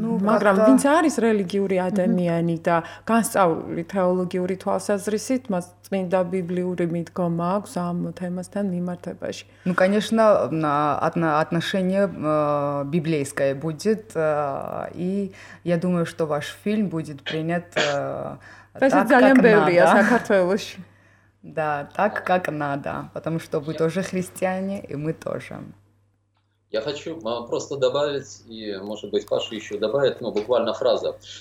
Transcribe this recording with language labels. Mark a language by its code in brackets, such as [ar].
[ka] მაგრამ ვინც არის რელიგიური ადამიანი და განსწავლული თეოლოგიური თვალსაზრისით, მას წმინდა ბიბლიური მიდგომა აქვს ამ თემასთან მიმართებაში. [ru] Ну, конечно, отношение библейское будет, и я думаю, что ваш фильм будет принят [ka] ძალიან ბევრია საქართველოში. [ru] Да, так как надо, потому что вы тоже христиане, и мы тоже. Я хочу просто добавить, и, может быть, Паша еще добавит, но буквально фраза.